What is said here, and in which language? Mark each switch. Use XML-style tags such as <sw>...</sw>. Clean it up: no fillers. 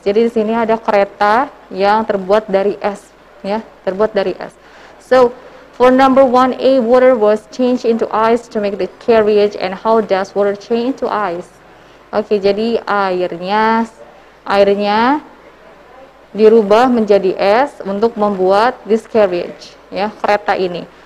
<id>Jadi di sini ada kereta yang terbuat dari es, ya, terbuat dari es.</id> <en>So, for number 1A, water was changed into ice to make the carriage, and how does water change into ice?</en> <id>Oke, jadi airnya dirubah menjadi es untuk membuat this carriage, ya, kereta ini.</id>